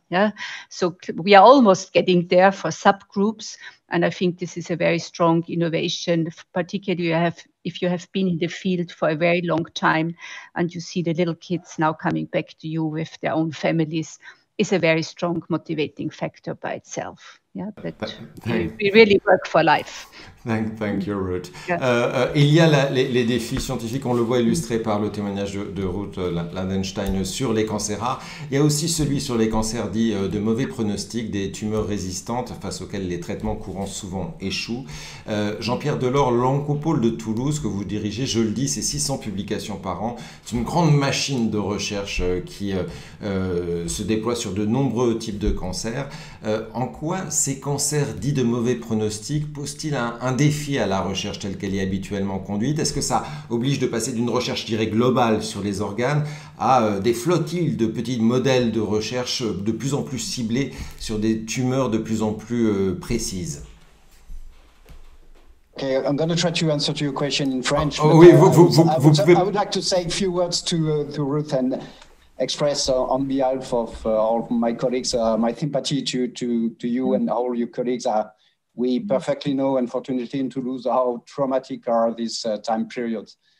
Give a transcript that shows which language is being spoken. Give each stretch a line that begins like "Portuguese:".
English: Yeah, so we are almost getting there for subgroups, and I think this is a very strong innovation, particularly if you have been in the field for a very long time, and you see the little kids now coming back to you with their own families, is a very strong motivating factor by itself. Yeah, that we really work for life. Thank you, Ruth.
French: Il y a les défis scientifiques, on le voit illustré par le témoignage de Ruth Landenstein sur les cancers rares. Il y a aussi celui sur les cancers dits de mauvais pronostic, des tumeurs résistantes face auxquelles les traitements courants souvent échouent. Jean-Pierre Delors, l'Oncopole de Toulouse que vous dirigez, je le dis, c'est 600 publications par an. C'est une grande machine de recherche qui se déploie sur de nombreux types de cancers. En quoi ces cancers dits de mauvais pronostic posent-ils un défi à la recherche telle qu'elle est habituellement conduite? Est-ce que ça oblige de passer d'une recherche, je dirais, globale sur les organes à des flottilles de petits modèles de recherche de plus en plus ciblés sur des tumeurs de plus en plus précises?
English: Okay, I'm going to try to answer to your question in French.
French: Oh, oui, vous pouvez.
English: I would like to say a few words to Ruth and express on behalf of all of my colleagues my sympathy to you and all your colleagues. We perfectly know, unfortunately, in Toulouse, how traumatic are these time periods.